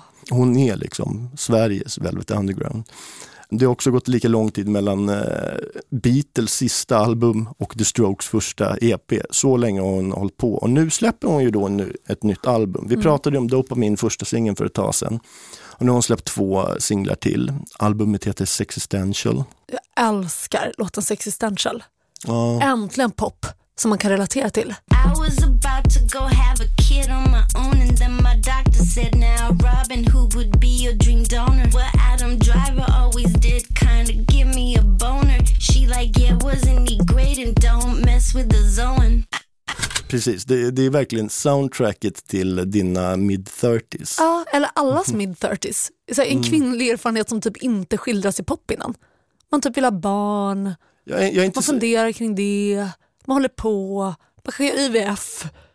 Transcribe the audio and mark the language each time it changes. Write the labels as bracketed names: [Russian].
[Swedish] Hon är liksom Sveriges Velvet Underground. Det har också gått lika lång tid mellan Beatles sista album och The Strokes första EP. Så länge hon har hållit på. Och nu släpper hon ju då ett nytt album. Vi pratade om Dopamin, första singeln, för ett tag sedan. Och nu har hon släppt två singlar till. Albumet heter Sexistential. Jag älskar låten Sexistential. Ja. Äntligen pop som man kan relatera till. [English] I was about to go have a kid on my own and then my doctor said now Robin who would be your dream donor. Well, Adam Driver always did kind of give me a boner. She like yeah wasn't he great and don't mess with the zone. [Swedish] Precis, det är verkligen soundtracket till dina mid-30s. Ja, eller allas mid-30s. Så en kvinnlig erfarenhet som typ inte skildras i pop innan. Man typ vill ha barn. Jag är inte man funderar så... kring det. Man håller på. Man kan göra IVF.